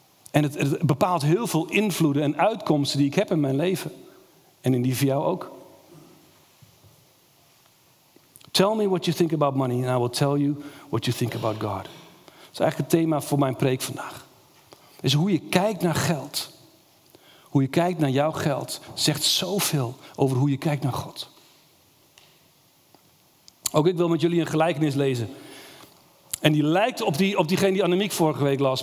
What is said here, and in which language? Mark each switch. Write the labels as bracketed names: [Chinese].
[Dutch] En het bepaalt heel veel invloeden en uitkomsten die ik heb in mijn leven. En in die van jou ook. [English] Tell me what you think about money and I will tell you what you think about God. [Dutch] Dat is eigenlijk het thema voor mijn preek vandaag. Is hoe je kijkt naar geld. Hoe je kijkt naar jouw geld zegt zoveel over hoe je kijkt naar God. Ook ik wil met jullie een gelijkenis lezen. En die lijkt op diegene die Annemiek vorige week las.